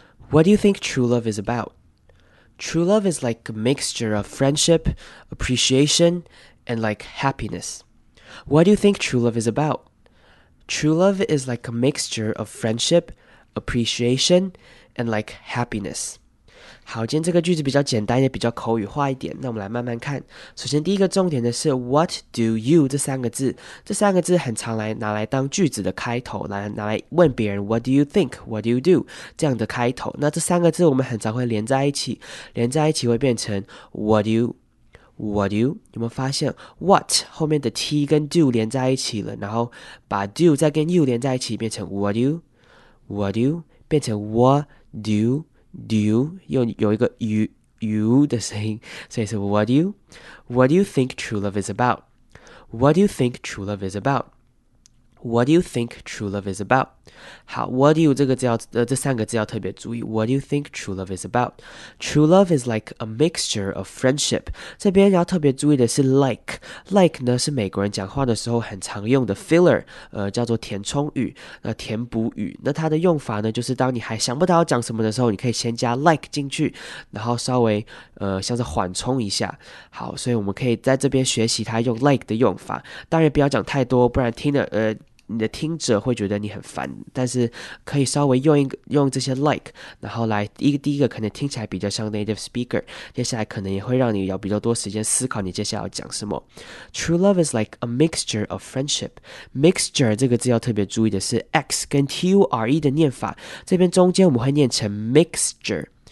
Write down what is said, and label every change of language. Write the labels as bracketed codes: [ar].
[en] What do you think true love is about? True love is like a mixture of friendship, appreciation, and like happiness. What do you think true love is about? True love is like a mixture of friendship, appreciation, and like happiness. [zh] 好，今天这个句子比较简单，也比较口语化一点。那我们来慢慢看。首先，第一个重点的是 "What do you" 这三个字，这三个字很常来拿来当句子的开头，拿来问别人 [en] "What do you think? What do you do?" [zh] 这样的开头。那这三个字我们很常会连在一起，连在一起会变成 "What do you?" [en] What do you? [zh] 有没有发现 What 后面的 T 跟 do 连在一起了，然后把 do 再跟 you 连在一起，变成 What do you? [en] What do you? 变成 What do you? Do you 有一个 you 的声音，所以是 What do you? What do you think true love is about? What do you think true love is about? What do you think true love is about? [zh] 好 ，What do you 这个字要这三个字要特别注意。 [en] What do you think true love is about? True love is like a mixture of friendship. [zh] 这边要特别注意的是 like 呢是美国人讲话的时候很常用的 filler， 叫做填充语，填补语。那它的用法呢，就是当你还想不到要讲什么的时候，你可以先加 like 进去，然后稍微像是缓冲一下。好，所以我们可以在这边学习它用 like 的用法。当然不要讲太多，不然听了你的听者会觉得你很烦，但是可以稍微用这些 like， 然后来第一个可能听起来比较像 native speaker， 接下来可能也会让你有比较多时间思考你接下来要讲什么。 [en] True love is like a mixture of friendship. [zh] Mixture 这个字要特别注意的是 x 跟 ture 的念法，这边中间我们会念成 mixture。